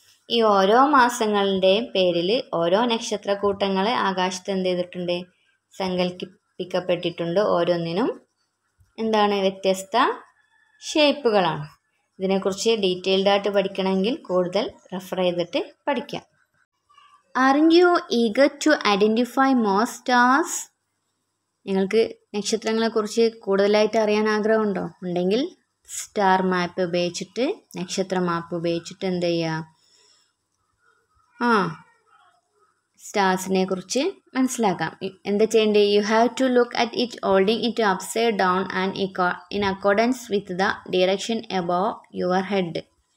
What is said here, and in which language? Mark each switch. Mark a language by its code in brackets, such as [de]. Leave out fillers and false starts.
[ml] ഈ ഓരോ മാസങ്ങളുടെയും പേരിൽ ഓരോ നക്ഷത്ര കൂട്ടങ്ങളെ ആകാശത്ത് എന്ത് ചെയ്തിട്ടുണ്ട് സങ്കല്പിക്കപ്പെട്ടിട്ടുണ്ട്. ഓരോന്നിനും എന്താണ് വ്യത്യസ്ത ഷേപ്പുകളാണ്. ഇതിനെക്കുറിച്ച് ഡീറ്റെയിൽഡ് ആയിട്ട് പഠിക്കണമെങ്കിൽ കൂടുതൽ റെഫർ ചെയ്തിട്ട് പഠിക്കാം. [en] Aren't you eager to identify more stars? [ml] നിങ്ങൾക്ക് നക്ഷത്രങ്ങളെ കുറിച്ച് കൂടുതലായിട്ട് അറിയാൻ ആഗ്രഹമുണ്ടോ? ഉണ്ടെങ്കിൽ സ്റ്റാർ മാപ്പ് ഉപയോഗിച്ചിട്ട് നക്ഷത്ര മാപ്പ് ഉപയോഗിച്ചിട്ട് എന്ത് ചെയ്യുക സ്റ്റാർസിനെ കുറിച്ച് മനസ്സിലാക്കാം. എന്താ ചെയ്യേണ്ടത്? [en] You have to look at it holding it upside down and in accordance with the direction above your head.